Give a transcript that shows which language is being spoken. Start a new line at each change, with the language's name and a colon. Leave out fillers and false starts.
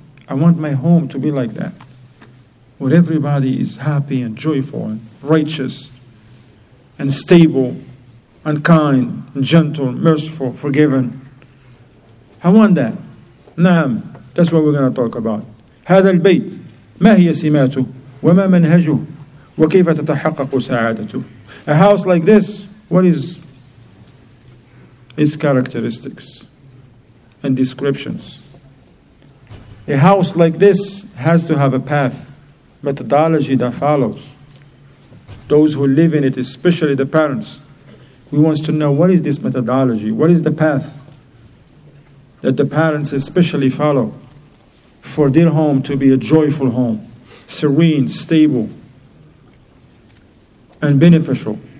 English: I want my home to be like that, where everybody is happy and joyful and righteous and stable and kind and gentle, merciful, forgiven. I want that. Naam, that's what we're going to talk about.
Arabic: هذا البيت ما هي سماته وما منهجه وكيف تتحقق سعادته.
English: A house like this, what is its characteristics and descriptions? A house like this has to have a path, methodology that follows. Those who live in it, especially the parents, we want to know what is this methodology, what is the path that the parents especially follow for their home to be a joyful home, serene, stable, and beneficial.